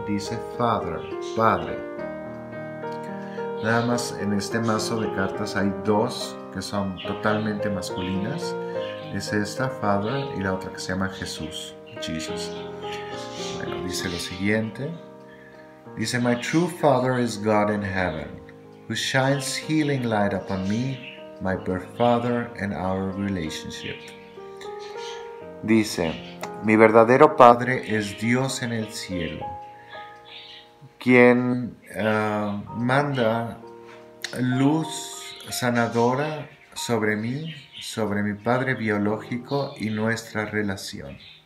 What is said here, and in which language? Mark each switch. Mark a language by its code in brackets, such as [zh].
[es] Dice, Father, Padre. Nada más en este mazo de cartas hay dos que son totalmente masculinas. Es esta, Father, y la otra que se llama Jesús, Jesus. Bueno, dice lo siguiente. [en] Dice, my true father is God in heaven, who shines healing light upon me, my birth father, and our relationship. [es] Dice, mi verdadero padre es Dios en el cielo, quien manda luz sanadora sobre mí, sobre mi padre biológico y nuestra relación.